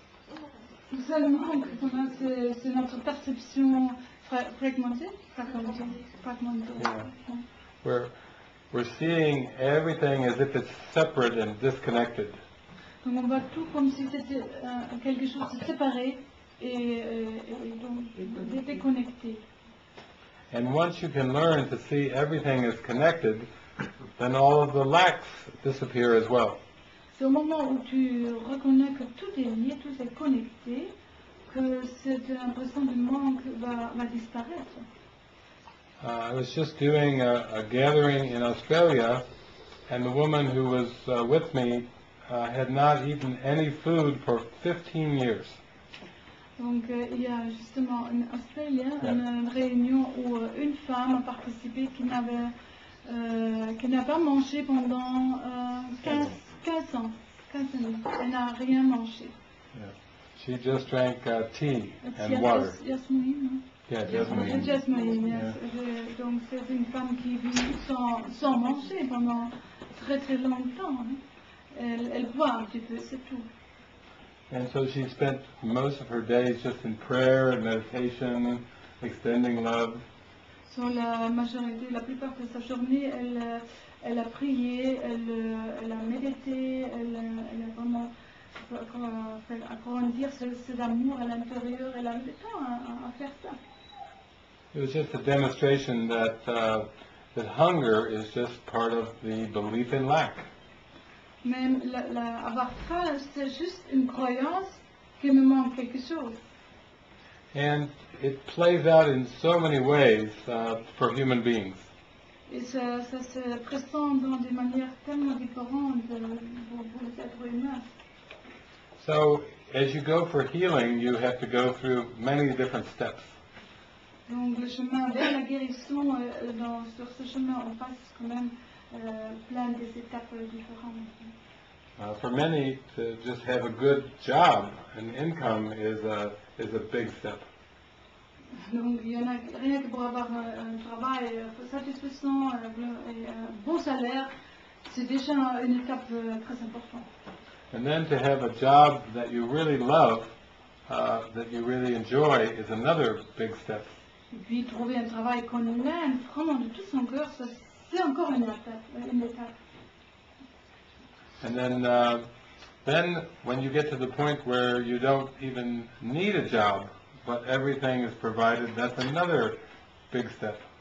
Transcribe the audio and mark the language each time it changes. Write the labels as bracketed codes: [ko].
[fr] Donc le seul manque qu'on a, c'est notre perception fragmentée. [en] We're seeing everything as if it's separate and disconnected. [fr] Donc on voit tout comme si c'était quelque chose de séparé. [en] And once you can learn to see everything is connected, then all of the lacks disappear as well. [fr] C'est au moment où tu reconnais que tout est lié, tout est connecté, que cette impression de manque va disparaître. [en] I was just doing a gathering in Australia, and the woman who was with me had not eaten any food for 15 years. [fr] Donc il y a justement en Australie une réunion où une femme a participé qui n'a pas mangé pendant 15 ans. Elle n'a rien mangé. [en] Yeah. She just drank tea and water. Jasmine. [fr] Donc c'est une femme qui vit sans manger pendant très très longtemps. Elle boit un petit peu, c'est tout. [en] And so she spent most of her days just in prayer and meditation, extending love. [fr] So la majorité, la plupart de sa journée, elle a prié, elle a médité, elle a vraiment fait grandir cet amour à l'intérieur. Elle a eu le temps à faire ça. [en] It was just a demonstration that hunger is just part of the belief in lack. [fr] Même avoir faim, c'est juste une croyance qu'il me manque quelque chose. [en] And it plays out in so many ways for human beings. [fr] Et ça se présente dans des manières tellement différentes pour les êtres humains. [en] So, as you go for healing, you have to go through many different steps. [fr] Donc le chemin vers la guérison, sur ce chemin, on passe quand même plein des étapes différentes. [en] For many, to just have a good job, an income, is a big step. [fr] Donc, il y en a rien que pour avoir un travail satisfaisant et un bon salaire, c'est déjà une étape très importante. [en] And then to have a job that you really love, that you really enjoy, is another big step. [fr] Puis trouver un travail qu'on aime vraiment de tout son cœur, ça c'est encore une étape. [en] And then when you get to the point where you don't even need a job, but everything is provided, that's another big step.